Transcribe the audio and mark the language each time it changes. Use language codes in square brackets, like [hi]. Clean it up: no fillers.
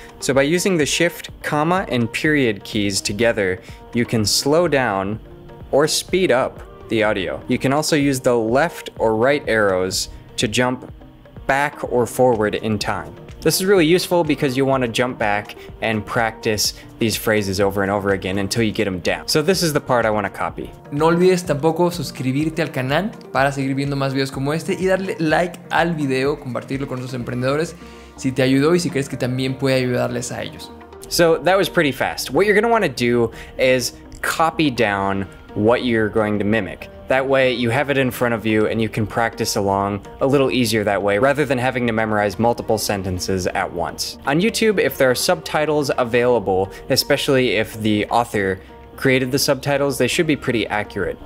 [en] So by using the shift, comma, and period keys together, you can slow down or speed up the audio. You can also use the left or right arrows to jump back or forward in time. This is really useful because you want to jump back and practice these phrases over and over again until you get them down. So this is the part I want to copy. [es] No olvides tampoco suscribirte al canal para seguir viendo más videos como este y darle like al video, compartirlo con otros emprendedores si te ayudó y si crees que también puede ayudarles a ellos. [en] So that was pretty fast. What you're going to want to do is copy down what you're going to mimic. That way you have it in front of you and you can practice along a little easier that way rather than having to memorize multiple sentences at once. On YouTube, if there are subtitles available, especially if the author created the subtitles, they should be pretty accurate.